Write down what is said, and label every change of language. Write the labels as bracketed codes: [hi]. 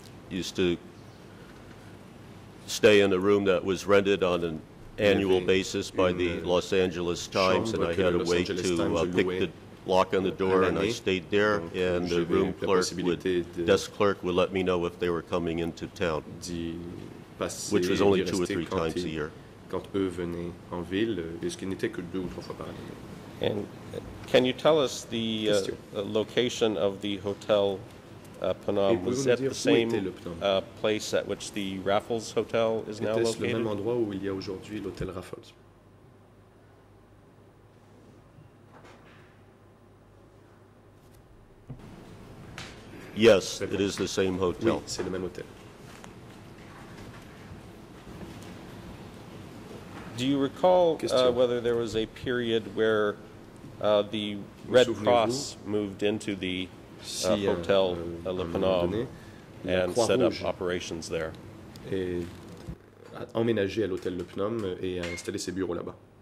[en] used to stay in a room that was rented on an annual basis by the Los Angeles Times, and I had a way to pick the lock on the door, and I stayed there, and the room clerk would, desk clerk would let me know if they were coming into town, which was only two or three times a year. [fr] Quand eux venaient en ville, est-ce qu'ils n'étaient que deux ou trois fois par année? [en] And can you tell us the location of the hotel Phnom? Was that the same place at which the Raffles Hotel is now located? [fr] Était-ce le même endroit où il y a aujourd'hui l'hôtel Raffles? [en] Yes, it is the same hotel. [fr] Oui, c'est le même hôtel. [en] Do you recall whether there was a period where the Red Cross moved into the hotel Le Phnom and set up operations there? [fr] Emménagé à l'hôtel Le Phnom et a installé ses bureaux là-bas.